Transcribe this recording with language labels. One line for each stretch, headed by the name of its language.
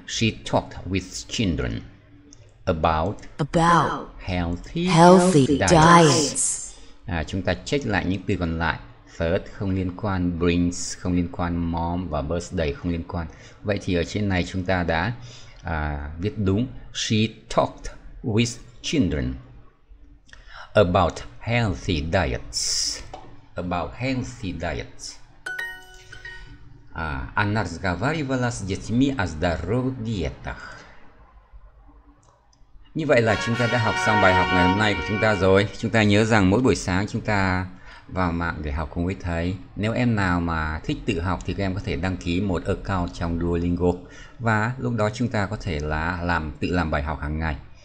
English: She talked with children about healthy diets.
Vietnamese: Chúng ta check lại những từ còn lại. First không liên quan, brings không liên quan, mom và birthday không liên quan. Vậy thì ở trên này chúng ta đã viết đúng.
English: She talked with children about healthy diets. About healthy diets.
Russian: Она разговаривала с детьми о здоровых диетах.
Vietnamese: Như vậy là chúng ta đã học xong bài học ngày hôm nay của chúng ta rồi. Chúng ta nhớ rằng mỗi buổi sáng chúng ta vào mạng để học cùng với thầy. Nếu em nào mà thích tự học thì các em có thể đăng ký một account trong Duolingo, và lúc đó chúng ta có thể là tự làm bài học hàng ngày.